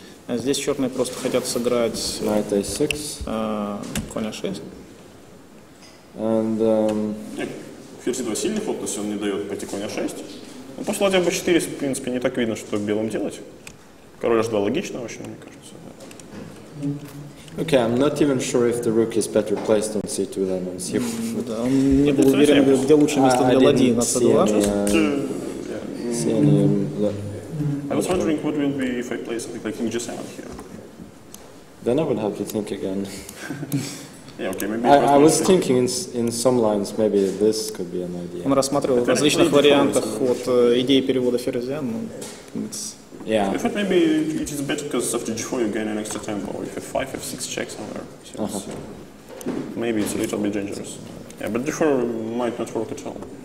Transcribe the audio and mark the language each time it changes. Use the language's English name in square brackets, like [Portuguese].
[Russian] Здесь черные просто хотят сыграть [English] knight a6, [Russian] конь a6. [English] And [Russian] ферзь два сильный ход, то есть он не дает пойти конь a6. Ну, после ладья b4, в принципе, не так видно, что белым делать. Король h2 логично, вообще, мне кажется. [English] Okay, I'm not even sure if the rook is better placed on c2 than on c4. [Russian] Да, он не был уверен, где лучшее место для ладьи на c2. [English] I was wondering what will be if I play something like King G7 here. Then I would have to think again. Yeah, okay, maybe. I was thinking in some lines maybe this could be an idea. [Russian] Он рассматривал в различных вариантах вот идеи перевода ферзя, но. [English] Yeah. I thought maybe it is better because after G4 you gain an extra tempo. If f5, f6 check somewhere. So maybe it's a little bit dangerous. Yeah, but G4 might not work at all.